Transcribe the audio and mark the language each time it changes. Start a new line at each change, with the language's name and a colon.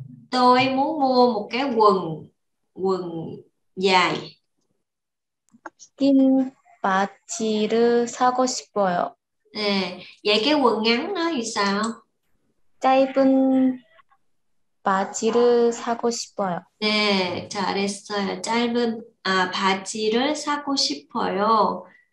Vietnamese: Tôi muốn mua một cái quần quần dài.
Korean: 스킨 바지를 사고 싶어요.
Vietnamese: Nè, vậy cái quần ngắn nó thì sao?
Korean: 짧은 바지를 사고 싶어요. Nè, 잘했어요. 짧은 바지를 사고 싶어요.